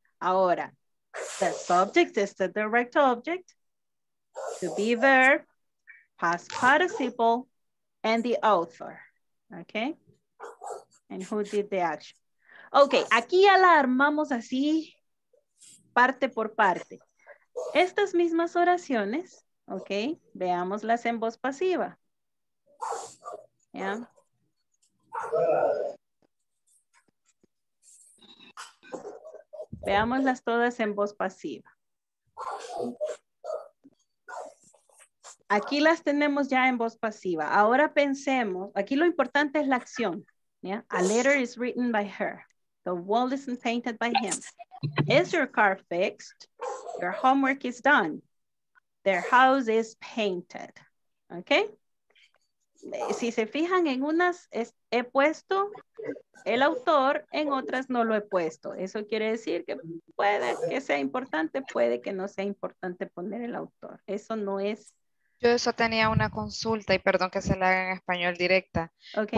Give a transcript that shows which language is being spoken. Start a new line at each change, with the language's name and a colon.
English: Ahora, the subject is the direct object, to be verb, past participle, and the author. ¿Ok? And who did the action?
Spanish: Ok, aquí ya la armamos así, parte por parte. Estas mismas oraciones, ok, veámoslas en voz pasiva. ¿Ya? Yeah. Veámoslas todas en voz pasiva. Aquí las tenemos ya en voz pasiva. Ahora pensemos, aquí lo importante es la acción.
English: Yeah. A letter is written by her. The wall isn't painted by him. Is your car fixed? Your homework is done. Their house is painted. Okay?
Spanish: si se fijan en unas es, he puesto el autor, en otras no lo he puesto. Eso quiere decir que puede que sea importante, puede que no sea importante poner el autor. Eso no es. Yo eso tenía una consulta y perdón que se la haga en español directa. Okay.